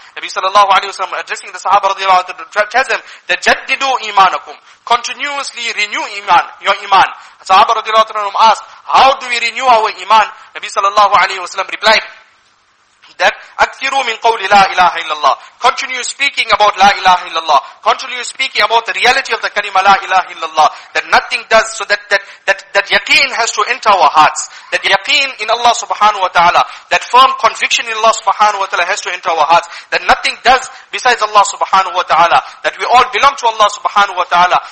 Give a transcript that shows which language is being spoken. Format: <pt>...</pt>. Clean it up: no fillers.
<en>Nabi sallallahu alayhi wa sallam addressing the sahaba radiallahu anhu tells them that</en> <ar>jaddidu imanakum,</ar> <en>continuously renew iman, your iman. Sahaba radiallahu anhu asked, how do we renew our iman? Nabi sallallahu alayhi wa sallam replied, that</en> <ar>أكثروا من قول لا إله إلا الله.</ar> <en>Continue speaking about</en> <ar>لا إله إلا الله.</ar> <en>Continue speaking about the reality of the</en> <ar>كلمة لا إله إلا الله.</ar> <en>That nothing does, so that yaqeen has to enter our hearts. That yaqeen in Allah subhanahu wa ta'ala, that firm conviction in Allah subhanahu wa ta'ala has to enter our hearts. That nothing does besides Allah subhanahu wa ta'ala. That we all belong to Allah subhanahu wa ta'ala.</en>